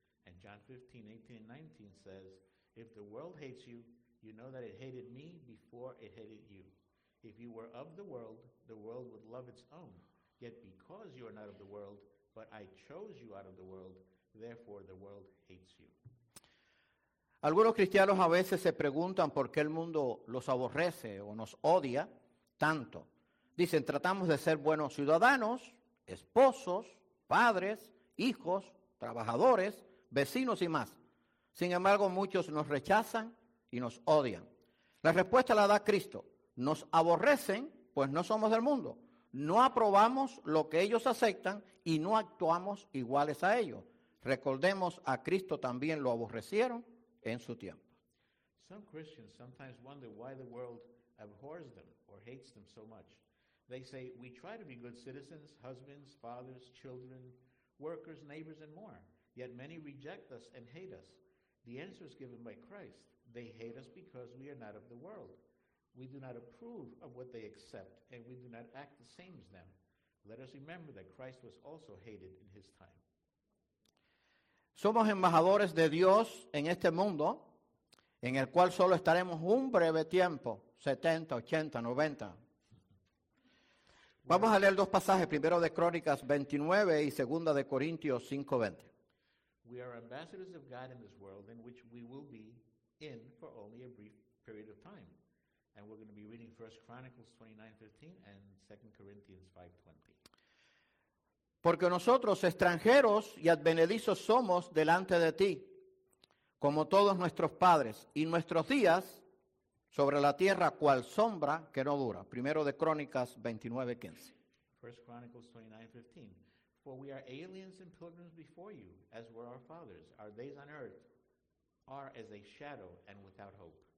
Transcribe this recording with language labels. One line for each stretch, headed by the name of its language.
English: And John 15, 18 and 19 says, if the world hates you, you know that it hated me before it hated you. If you were of the world would love its own. Yet because you are not of the world, but I chose you out of the world, therefore the world hates you.
Spanish: Algunos cristianos a veces se preguntan por qué el mundo los aborrece o nos odia tanto. Dicen, tratamos de ser buenos ciudadanos, esposos, padres, hijos, trabajadores, vecinos y más. Sin embargo, muchos nos rechazan y nos odian. La respuesta la da Cristo. Nos aborrecen, pues no somos del mundo. No aprobamos lo que ellos aceptan y no actuamos iguales a ellos. Recordemos a Cristo también lo aborrecieron en su tiempo.
English: Some Christians sometimes wonder why the world abhors them or hates them so much. They say, we try to be good citizens, husbands, fathers, children, workers, neighbors, and more. Yet many reject us and hate us. The answer is given by Christ. They hate us because we are not of the world. We do not approve of what they accept, and we do not act the same as them. Let us remember that Christ was also hated in his time.
Spanish: Somos embajadores de Dios en este mundo, en el cual solo estaremos un breve tiempo, 70, 80, 90. Vamos a leer dos pasajes, primero de Crónicas 29 y segunda de Corintios 5:20.
English: We are ambassadors of God in this world, in which we will be in for only a brief period of time. And we're going to be reading 1 Chronicles 29:15 and 2 Corinthians 5:20.
Spanish: Porque nosotros extranjeros y advenedizos somos delante de ti, como todos nuestros padres, y nuestros días sobre la tierra cual sombra que no dura. Primero de Crónicas 29:15.
English: 1 Chronicles 29:15. For we are aliens and pilgrims before you, as were our fathers. Our days on earth are as a shadow and without hope.